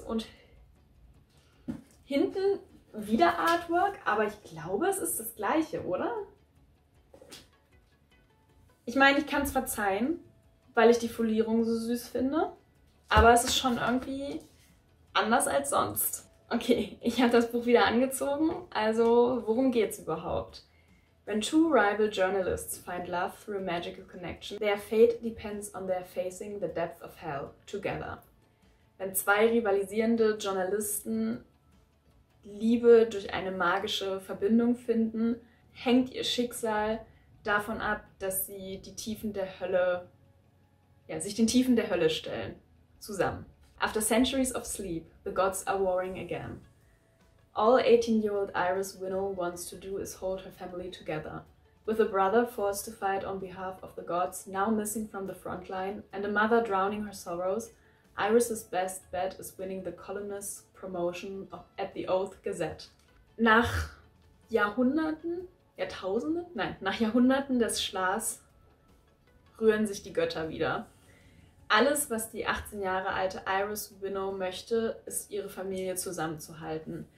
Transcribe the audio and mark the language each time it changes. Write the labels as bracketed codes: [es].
[de] Und hinten wieder Artwork, aber ich glaube, es ist das gleiche, oder? Ich meine, ich kann es verzeihen, weil ich die Folierung so süß finde, aber es ist schon irgendwie anders als sonst. Okay, ich habe das Buch wieder angezogen, also worum geht's überhaupt? [en] When two rival journalists find love through a magical connection, their fate depends on their facing the depth of hell together. [de] Wenn zwei rivalisierende Journalisten Liebe durch eine magische Verbindung finden, hängt ihr Schicksal davon ab, dass sie die Tiefen der Hölle, ja, sich den Tiefen der Hölle stellen. Zusammen. [en] After centuries of sleep, the gods are warring again. All 18-year-old Iris Winnell wants to do is hold her family together. With a brother forced to fight on behalf of the gods now missing from the front line and a mother drowning her sorrows, Iris's best bet is winning the columnist's promotion at the Oath Gazette. [de] Nach Jahrhunderten? Jahrtausende? Nein, nach Jahrhunderten des Schlafs rühren sich die Götter wieder. Alles, was die 18 Jahre alte Iris Winnow möchte, ist, ihre Familie zusammenzuhalten.